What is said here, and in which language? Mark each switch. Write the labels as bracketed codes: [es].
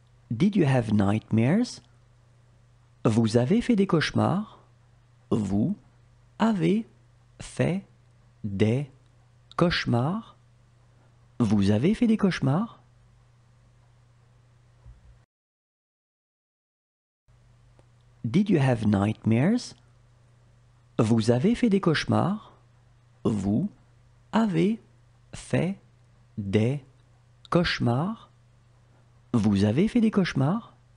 [en] Did you have nightmares? [fr] Vous avez fait des cauchemars? Vous avez fait des cauchemars? Vous avez fait des cauchemars? [en] Did you have nightmares? [fr] Vous avez fait des cauchemars? Vous avez fait des cauchemars? Vous avez fait des cauchemars?